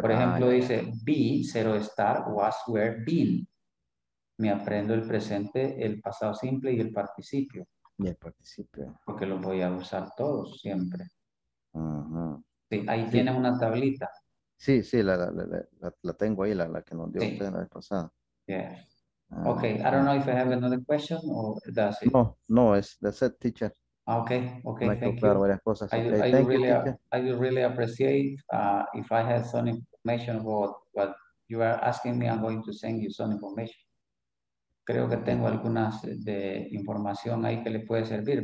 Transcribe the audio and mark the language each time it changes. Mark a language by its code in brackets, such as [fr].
[es] Por ejemplo, dice, be, cero estar, was, where, been. Me aprendo el presente, el pasado simple y el participio. Y el participio. Porque lo voy a usar todos siempre. Uh-huh. Sí, ahí sí. Tiene una tablita. Sí, sí, la tengo ahí, la que nos dio usted la vez pasada. [en] Yeah. Okay, I don't know if I have another question or that's it. No, that's it, teacher. Okay, me thank you. [es] Varias cosas. [en] I really appreciate if I have some information about what you are asking me, I'm going to send you some information. [es] Creo que tengo algunas de información ahí que le puede servir.